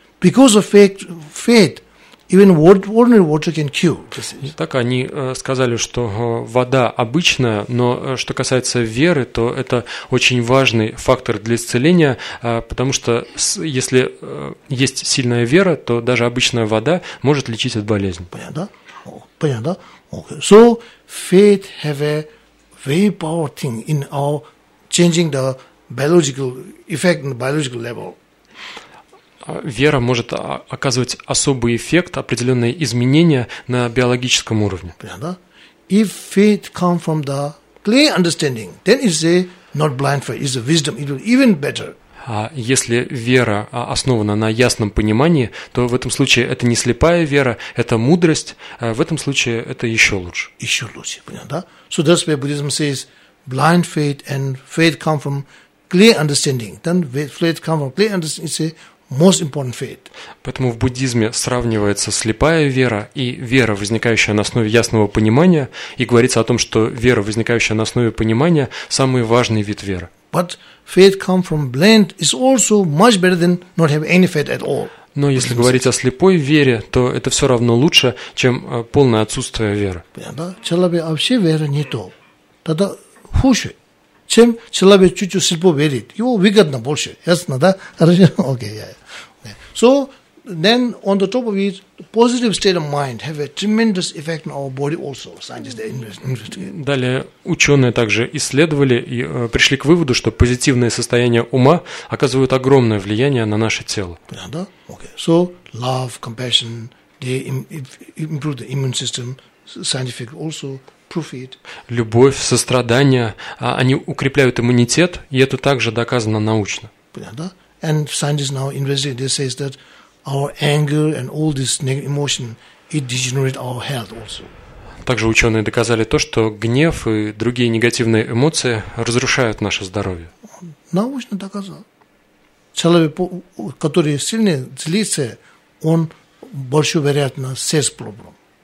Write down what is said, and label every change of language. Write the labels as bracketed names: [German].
[English] Because of faith, even ordinary water can cure. [Russian] Так они сказали, что вода обычная, но что касается веры, то это очень важный фактор для исцеления, потому что если есть сильная вера, то даже обычная вода может лечить от болезни. Понятно? Понятно? Okay. [English] So faith have a very powerful thing in our changing the biological effect on the biological level. [Russian] Вера может оказывать особый эффект, определенные изменения на биологическом уровне. [English] If faith comes from the clear understanding, then it's a not blind faith, it's a wisdom, it will even better. [Russian] А если вера основана на ясном понимании, то в этом случае это не слепая вера, это мудрость, в этом случае это еще лучше. Еще лучше, понятно? [English] So that's why Buddhism says blind faith and faith comes from clear understanding. Then faith comes from clear understanding, it's a most important faith. [Russian] Поэтому в буддизме сравнивается слепая вера и вера, возникающая на основе ясного понимания, и говорится о том, что вера, возникающая на основе понимания, самый важный вид веры. [English] But faith come from blind is also much better than not have any faith at all. [Russian] Но если говорить о слепой вере, то это все равно лучше, чем полное отсутствие веры. Да, человек вообще вера не то. Тогда хуже. Чем человек чуть-чуть слепо верит, его выгодно больше, ясно, да? Okay. [English] So then on the top of it, positive state of mind have a tremendous effect on our body also. Scientists they investigate. [Russian] Далее ученые также исследовали и пришли к выводу, что позитивное состояние ума оказывает огромное влияние на наше тело. Да? Okay. [English] So love, compassion, they improve the immune system. Scientific also. [Russian] Любовь, сострадание, они укрепляют иммунитет, и это также доказано научно. Понятно? [English] And scientists now investigate, they say that our anger and all these negative emotions it degenerates our health also. [Russian] Также ученые доказали то, что гнев и другие негативные эмоции разрушают наше здоровье. Научно доказал. Человек, который сильнее злится, он больше вероятно сердце проблем.